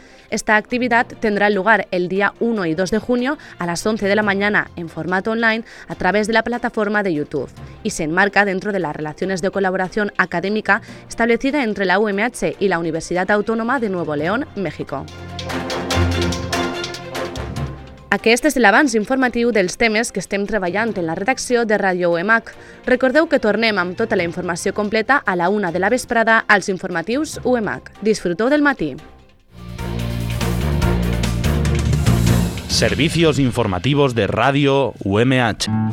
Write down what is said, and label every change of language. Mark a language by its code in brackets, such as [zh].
[es] Esta actividad tendrá lugar el día 1 y 2 de junio a las 11 de la mañana en formato online a través de la plataforma de YouTube y se enmarca dentro de las relaciones de colaboración académica establecida entre la UMH y la Universidad Autónoma de Nuevo León, México. [ca] Aquest és l'avanç informatiu dels temes que estem treballant en la redacció de Ràdio UMH. Recordeu que tornem amb tota la informació completa a la una de la vesprada als informatius UMH. Disfruteu del matí. [es] Servicios informativos de Radio UMH.